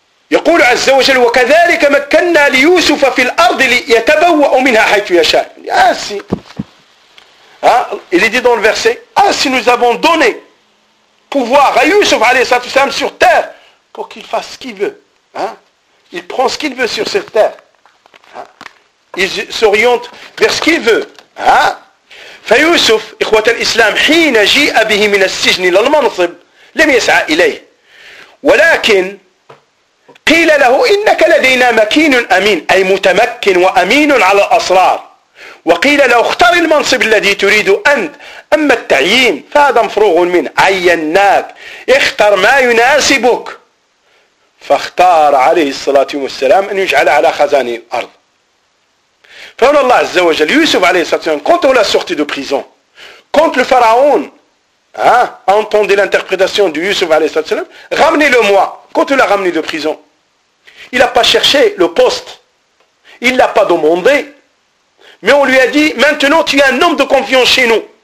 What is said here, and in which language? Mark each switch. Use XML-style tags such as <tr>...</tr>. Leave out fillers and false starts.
<ar>يقول عز وجل وكذلك مكننا ليوسف في الارض ليتبوأ منها حيث يشاء.</ar> <fr>Ainsi, il est dit dans le verset, ainsi nous avons donné pouvoir à Yusuf alayhi salam sur terre pour qu'il fasse ce qu'il veut. Il prend ce qu'il veut sur cette terre. Il s'oriente vers ce qu'il veut.</fr> <ar>فيوسف إخوة الإسلام حين جاء به من السجن إلى المنصب لم يسعى إليه ولكن قيل له إنك لدينا مكين أمين أي متمكن وأمين على الأسرار وقيل له اختار المنصب الذي تريد أنت أما التعيين فهذا مفروغ منه عيناك اختر ما يناسبك فاختار عليه الصلاة والسلام أن يجعل على خزان الأرض.</ar> <fr>Frère Allah Azza wa Jal, Yusuf alayhi salatu wasalam, quand on l'a sorti de prison, quand le pharaon a entendu l'interprétation de Yusuf alayhi salatu wasalam, ramenez-le-moi, quand on l'a ramené de prison, il n'a pas cherché le poste, il ne l'a pas demandé, mais on lui a dit, maintenant tu es un homme de confiance chez nous.</fr>